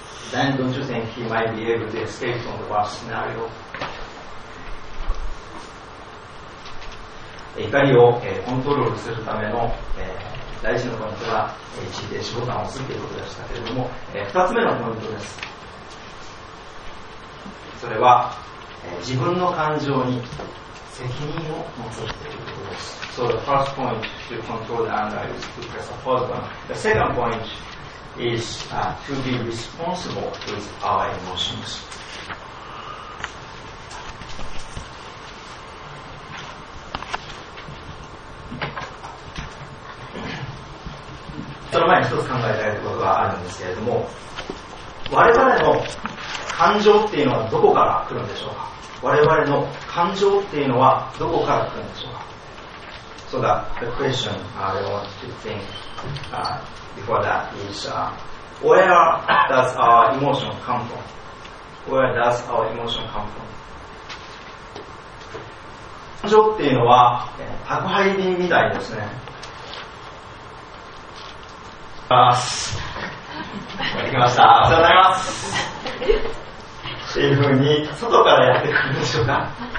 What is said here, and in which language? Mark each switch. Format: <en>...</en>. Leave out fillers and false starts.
<en>then don't you think he might be able to escape from the worst scenario?</en> <ja>怒りをコントロールするための大事なポイントは自定仕事をするということでしたけれども、2つ目のポイントです。それは自分の感情に責任を持つということです。</ja> <en>So the first point to control the anger is to presuppose one. The second point is to be responsible with our emotions.</en> <ja>その前に一つ考えられることがあるんですけれども、我々の感情っていうのはどこから来るんでしょうか。我々の感情っていうのはどこから来るんでしょうか。</ja> <en>So that the question I want to think before that is where does our emotion come from? Where does our emotion come from?</en> <ja>感情っていうのは宅配便みたいですね。できました、ありがとうございます。というふうに外からやってくるんでしょうか。</ja>